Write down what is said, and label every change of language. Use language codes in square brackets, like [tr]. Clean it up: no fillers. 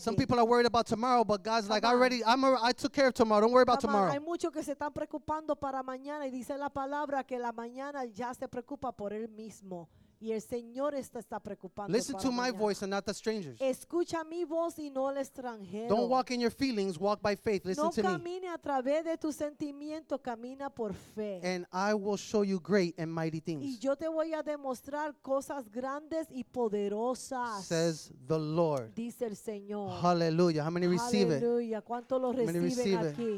[en] Some people are worried about tomorrow, but God's like, I took care of tomorrow. Don't worry about tomorrow. [es] Hay muchos que se están preocupando para mañana y dice la palabra que la mañana ya se preocupa por él mismo. Y el Señor está preocupando. [en] Listen to [es] mañana. [en] My voice and not the strangers. [es] Escucha mi voz y no el extranjero. [en] Don't walk in your feelings, walk by faith. Listen [es] no [en] to me. [es] No camine a través de tu sentimiento, camina por fe. [en] And I will show you great and mighty things. [es] Y yo te voy a demostrar cosas grandes y poderosas. [en] Says the Lord. [es] Dice el Señor. [en] Hallelujah. How many receive hallelujah. It? Hallelujah. [es] ¿Cuánto lo reciben [en] receive [es] aquí?